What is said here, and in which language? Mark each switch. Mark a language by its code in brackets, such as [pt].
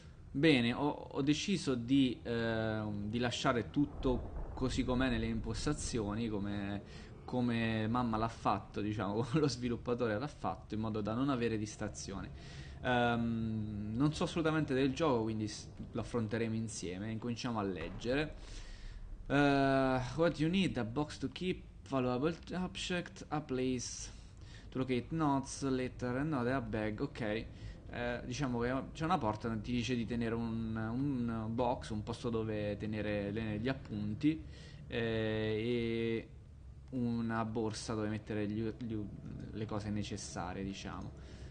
[it] Bene, ho deciso di lasciare tutto così com'è nelle impostazioni, come mamma l'ha fatto, diciamo, lo sviluppatore l'ha fatto, in modo da non avere distrazioni. Non so assolutamente del gioco, quindi l'affronteremo insieme. Incominciamo a leggere. [en] What you need? A box to keep valuable object, a place. Locate notes, letter, no, a bag, ok. [it] Diciamo che c'è una porta che ti dice di tenere un box, un posto dove tenere gli appunti, e una borsa dove mettere le cose necessarie, diciamo.